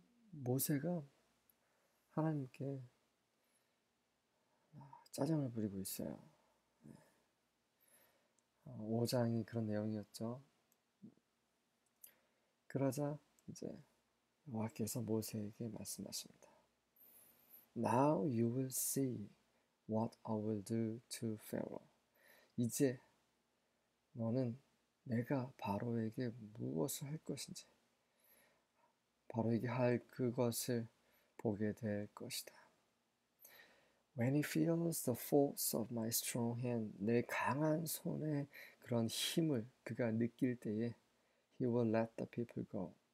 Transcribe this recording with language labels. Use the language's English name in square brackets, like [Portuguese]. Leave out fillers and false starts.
[Korean] 모세가 하나님께 짜증을 부리고 있어요. 5장이 그런 내용이었죠. 그러자 이제 여호와께서 모세에게 말씀하십니다. [English] Now you will see what I will do to Pharaoh. [Korean] 이제 너는 내가 바로에게 무엇을 할 것인지, 바로에게 할 그것을 보게 될 것이다. [English] When he feels the force of my strong hand, [Korean] 내 강한 손의 그런 힘을 그가 느낄 때에, [English] he will let the people go.